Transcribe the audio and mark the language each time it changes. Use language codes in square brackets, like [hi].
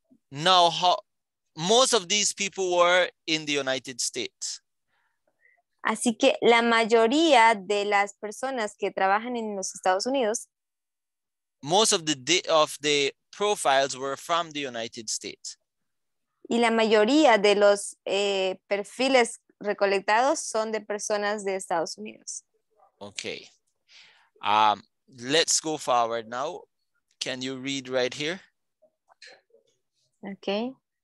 [en] Now, most of these people were in the United States. [es] Así que la mayoría de las personas que trabajan en los Estados Unidos. [en] Most of the profiles were from the United States. [es] Y la mayoría de los perfiles recolectados son de personas de Estados Unidos. [en] Okay. Let's go forward now. Can you read right here? Okay.